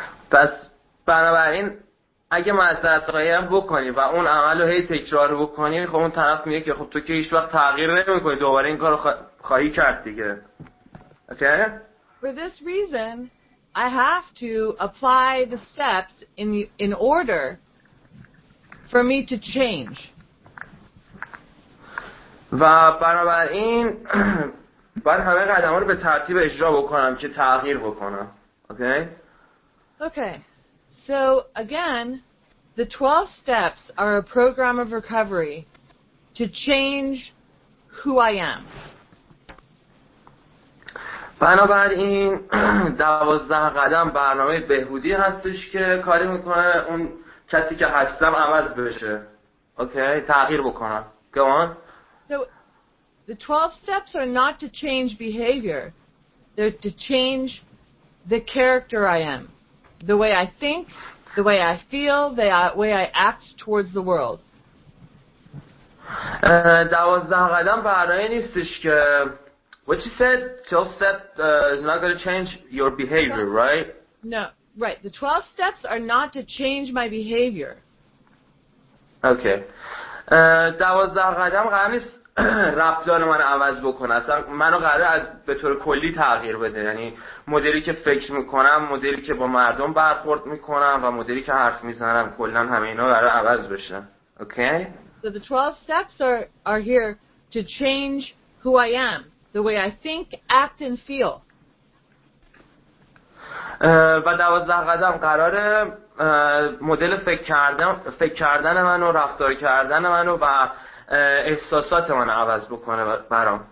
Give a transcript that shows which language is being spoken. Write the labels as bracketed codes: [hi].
[fa] پس بنابراین اگه معذرت خواهی هم بکنی و اون عمل رو هی تکرار بکنی، خب اون طرف میگه که خب تو که هیچ وقت تغییر نمی کنی، دوباره این کار رو خواهی کرد دیگه. [en] Okay? For this reason, I have to apply the steps in order for me to change. [fa] و بنابراین باید همه قدم ها رو به ترتیب اجرا بکنم که تغییر بکنم. [en] Okay? Okay. So, again, the 12 steps are a program of recovery to change who I am. [fa] بنابراین 12 قدم برنامه بهبودی هستش که کاری میکنه اون کسی که هستم عوض بشه. [en] Okay? [fa] تغییر بکنم. [en] Go on. So, the 12 steps are not to change behavior. They're to change the character I am. The way I think, the way I feel, the way I act towards the world. [fa] 12 قدم برای نیستش که [en] what you said, 12 steps is not going to change your behavior, right? No, right. The 12 steps are not to change my behavior. Okay. [fa] 12 قدم قرار نیست رفتار من عوض بکنه، اصلا منو قراره از به طور کلی تغییر بده، یعنی مدلی که فکر میکنم، مدلی که با مردم برخورد میکنم و مدلی که حرف میزنم، کلا همه اینا قراره عوض بشه. [en] Okay? So the 12 steps are here to change who I am, the way I think, act and feel. [fa] و 12 قدم قراره مدل فکر کردن منو، رفتار کردن منو و احساسات من عوض بکنه برام.